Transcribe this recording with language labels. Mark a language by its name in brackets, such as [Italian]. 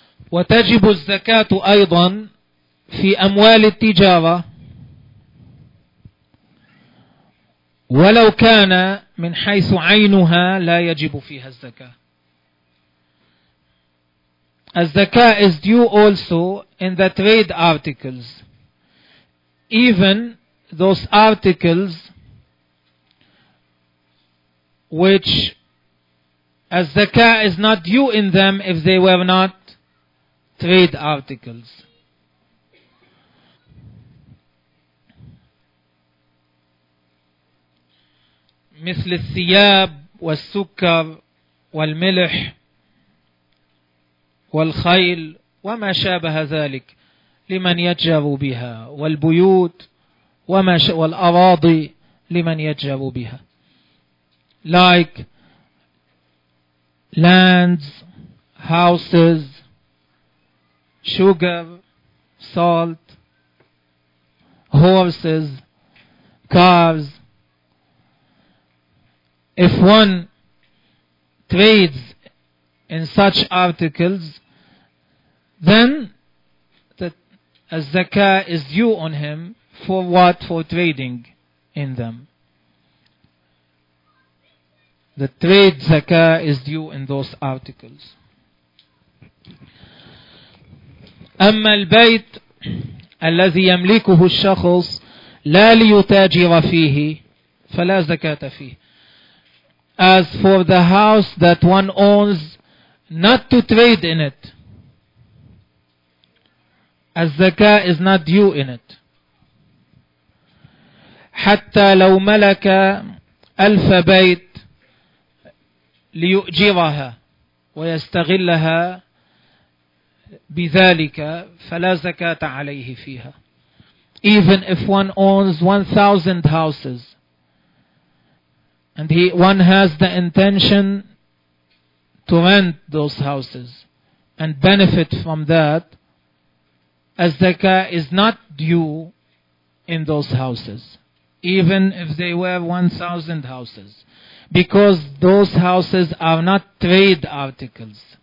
[Arabic] وتجب الزكاة أيضا في أموال التجارة ولو كان من حيث عينها لا يجب فيها الزكاة. [English] الزكاه is due also in the trade articles, even those articles which الزكاه is not due in them if they were not trade articles. [Arabic] مثل الثياب والسكر والملح والخيل وما شابه ذلك لمن يتجر بها والبيوت وما والأراضي لمن يتجر بها. [English] Like lands, houses, sugar, salt, horses, cars. If one trades in such articles, then the zakah is due on him for what? For trading in them. The trade zakah is due in those articles. [Arabic] أما البيت الذي يملكه الشخص لا ليتاجر فيه فلا زكاة فيه. [English] As for the house that one owns, not to trade in it, الزكاه is not due in it. [Arabic] حتى لو ملك ألف بيت ليؤجرها ويستغلها بذلك فلا زكاة عليه فيها. [English] Even if one owns 1,000 houses and one has the intention to rent those houses and benefit from that, zakah is not due in those houses, even if they were 1,000 houses, because those houses are not trade articles.